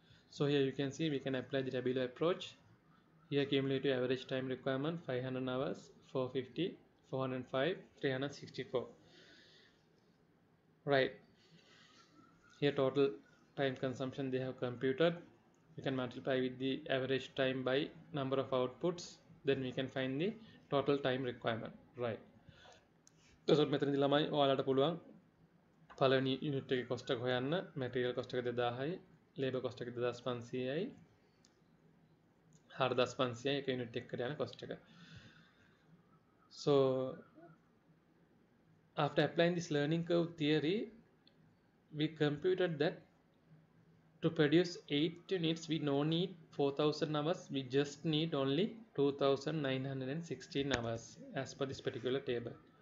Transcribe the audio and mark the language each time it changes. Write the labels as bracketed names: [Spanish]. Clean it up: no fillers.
[English] So here you can see we can apply the tabular approach. Here cumulative average time requirement 500 hours, 450, 405, 364. Right. Here total time consumption they have computed. We can multiply with the average time by number of outputs, then we can find the total time requirement. Right. [Sinhala] So මෙතනදී ළමයි ඔයාලට පුළුවන් පළවෙනි unit එකේ cost එක හොයන්න. Material cost එක 2000යි, labor cost එක 2500යි, 4500යි එක unit එකකට යන cost එක. [English] So after applying this learning curve theory, we computed that to produce 8 units we no need 4000 hours, we just need only 2916 hours as per this particular table.